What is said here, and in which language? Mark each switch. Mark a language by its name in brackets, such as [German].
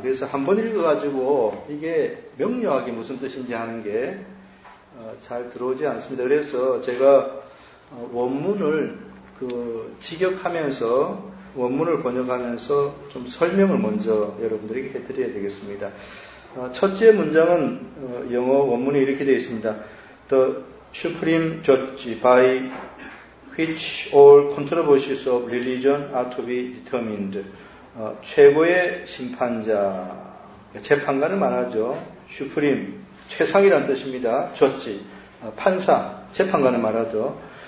[Korean] 그래서 한번 읽어가지고 이게 명료하게 무슨 뜻인지 하는 게 잘 들어오지 않습니다. 그래서 제가 원문을 그 직역하면서 원문을 번역하면서 좀 설명을 먼저 여러분들에게 해드려야 되겠습니다. 첫째 문장은 영어 원문이 이렇게 되어 있습니다. [English] The supreme judge by which all controversies of religion are to be determined. [Korean] 최고의 심판자, 재판관을 말하죠. supreme, 최상이라는 뜻입니다. judge, 판사, 재판관을 말하죠.